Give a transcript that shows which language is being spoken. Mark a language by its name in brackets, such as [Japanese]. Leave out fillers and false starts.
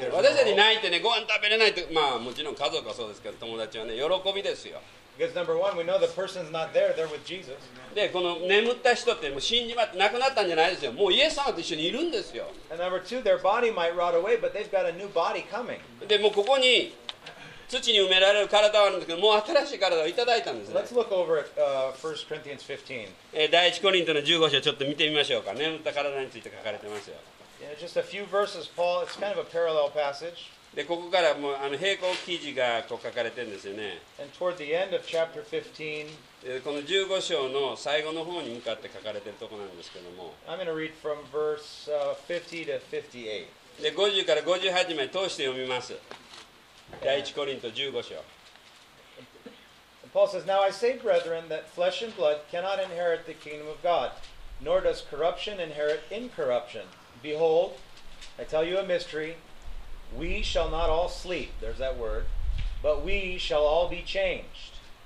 [English] there's no hope. [Japanese] 私たち泣いてね、ご飯食べれないと、まあもちろん家族はそうですけど、友達はね、喜びですよ。 [English] Because number one, we know the person's not there, they're with Jesus. [Japanese] で、この眠った人ってもう死んじまって亡くなったんじゃないですよ。もうイエス様と一緒にいるんですよ。 [English] And number two, their body might rot away, but they've got a new body coming. [Japanese] で、もうここに、土に埋められる体はあるんですけど、もう新しい体をいただいたんですね。 [English] Let's look over at, 1 Corinthians 15. [Japanese] 第一コリントの15章をちょっと見てみましょうか。眠った体について書かれてますよ。 [English] Just a few verses, Paul. It's kind of a parallel passage. [Japanese] で、ここからもうあの平行記事がこう書かれてるんですよね。 [English] And toward the end of chapter 15, [Japanese] この15章の最後の方に向かって書かれてるところなんですけども。 [English] I'm going to read from verse 50 to 58. [Japanese] で、50から58まで通して読みます。第一コリント15章。 [English] Paul says, Now I say, brethren, that flesh and blood cannot inherit the kingdom of God, nor does corruption inherit incorruption. Behold, I tell you a mystery. We shall not all sleep, there's that word, but we shall all be changed.